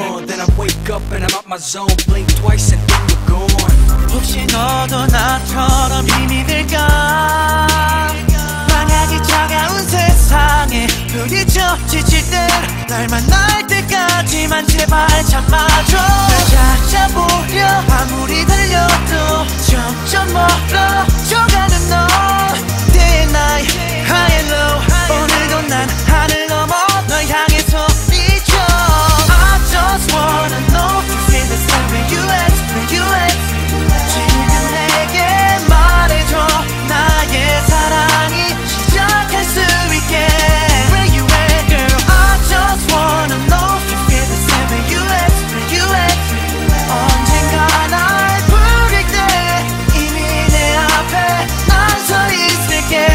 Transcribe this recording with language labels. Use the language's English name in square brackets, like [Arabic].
[English] Oh, then I wake up and I'm out my zone. Blink twice and then you're gone. [Korean] 혹시 너도 나처럼 힘이 들까. 만약에 차가운 세상에 불이 젖히질 땐 날 만날 때까지만 제발 잡아줘. 날 찾아보려 아무리 달려도 점점 멀어져가는 너. [English] Day and night, high and low. [Korean] 오늘도 난 하늘 넘어 널 향해 소리쳐. [English] I just wanna know to feel the same where you at, where you at. [Korean] 지금 내게 말해줘. 나의 사랑이 시작할 수 있게. [English] Where you at, girl? I just wanna know to feel the same where you at, where you at. [Korean] 언젠가 날 부를 때 이미 내 앞에 난 서 있을게.